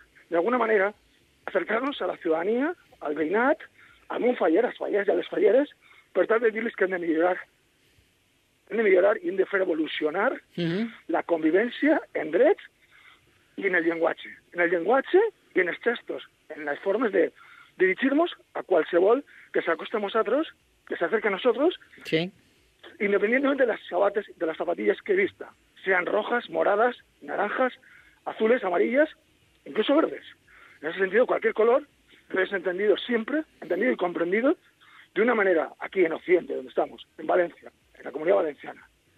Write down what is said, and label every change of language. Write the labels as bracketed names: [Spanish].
[Spanish] de alguna manera, acercarnos a la ciudadanía, al veïnat, a mon faller, a las falleres y a les falleres, pero tal vez decirles que [Catalan] hem de millorar y hem de fer evolucionar la convivència en drets i en el llenguatge. En el llenguatge i en els gestos, en les formes de dirigir-nos a qualsevol que s'acosta a nosaltres [Spanish] que se acerque a nosotros, sí, independientemente de las sabates, de las zapatillas que vista, sean rojas, moradas, naranjas, azules, amarillas, incluso verdes. En ese sentido, cualquier color es entendido siempre, entendido y comprendido de una manera aquí en Occidente, donde estamos, en Valencia, en la Comunidad Valenciana.